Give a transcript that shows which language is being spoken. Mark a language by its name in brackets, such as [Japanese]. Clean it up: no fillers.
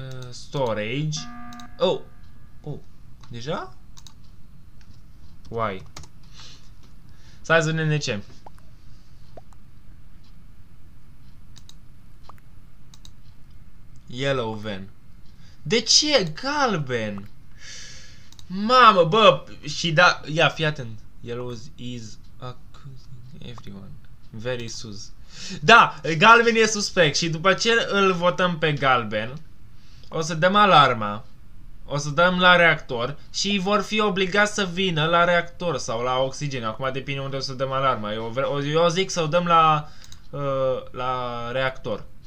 [Romanian] Storage. Oh, deja? Why? Stai să vedem de ce. [English] Yellow van. [Romanian] De ce galben? Mamă, bă, și da, ia, fii atent. [English] Yellow is accusing everyone. Very sus. [Romanian] Da, galben e suspect și după ce îl votăm pe galben, o să dăm alarma, o să dăm la reactor și vor fi obligați să vină la reactor sau la oxigen. Acum depinde unde o să dăm alarma. Eu zic să o dăm la reactor.